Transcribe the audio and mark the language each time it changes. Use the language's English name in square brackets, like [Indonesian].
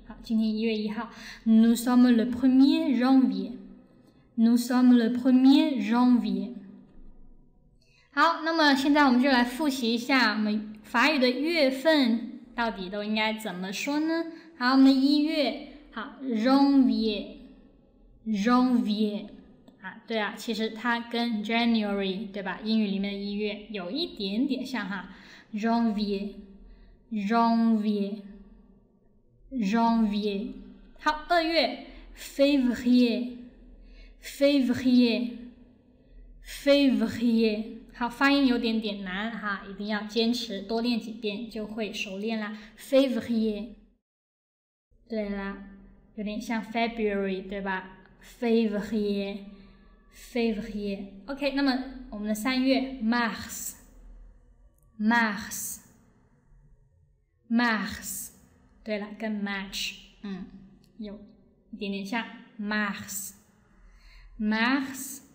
[Chinese] 好，今天1月1号 ， [French] Nous sommes le 1er janvier. Nous sommes le 1er janvier. [Chinese] 好，那么现在我们就来复习一下我们法语的月份到底都应该怎么说呢？好，我们的一月，好 ，janvier，janvier。啊，对啊，其实它跟 January 对吧？英语里面的一月有一点点像哈 ，janvier，janvier。 [French] Janvier， 好，二月 ，février，février，février， [Chinese] 好，发音有点点难哈，一定要坚持多练几遍就会熟练了。 Février， 对了，有点像 February 对吧？ Février， Février。OK， 那么我们的三月 Mars， Mars， Mars， 对了，跟 match， 有一点点像 Mars， Mars。